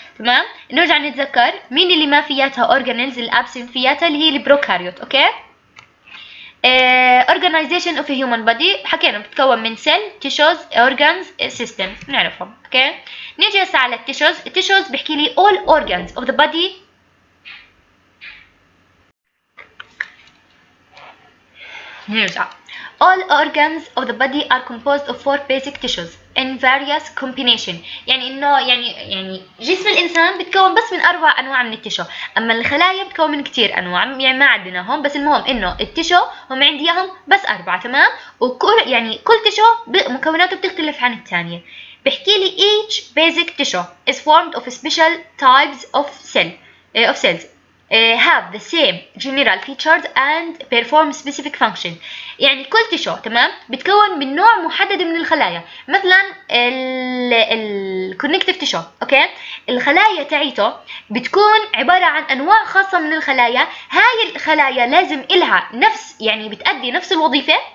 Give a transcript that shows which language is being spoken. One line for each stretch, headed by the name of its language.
Arabic: تمام، نرجع نتذكر مين اللي ما فياتها اورجانيلز الابسنت فياتها اللي هي البروكاريوت. اوكي، اورجانيزيشن اوف هيومن بودي حكينا بتتكون من سيل، تيشوز، اورجانز، سيستم، نعرفهم. اوكي، نيجي هسه على التيشوز. التيشوز بحكي لي اول اورجانز اوف ذا بودي. نرجع،
English: all organs of the body are composed of four basic tissues in various combination.
Arabic: يعني انه يعني جسم الانسان بتكون بس من اربع انواع من التيشو، اما الخلايا بتكون من كثير انواع. يعني ما عندنا هون، بس المهم انه التيشو هم عندي اياهم بس اربعة. تمام، وكل يعني كل تيشو مكوناته بتختلف عن الثانية. بحكي لي
English: each basic tissue is formed of special types of cells have the same general features and perform specific function.
Arabic: يعني كل تشو تمام بتكون من نوع محدد من الخلايا. مثلا الكونكتيف تشو، اوكي، الخلايا تاعيته بتكون عبارة عن انواع خاصة من الخلايا. هاي الخلايا لازم إلها نفس، يعني بتأدي نفس الوظيفة.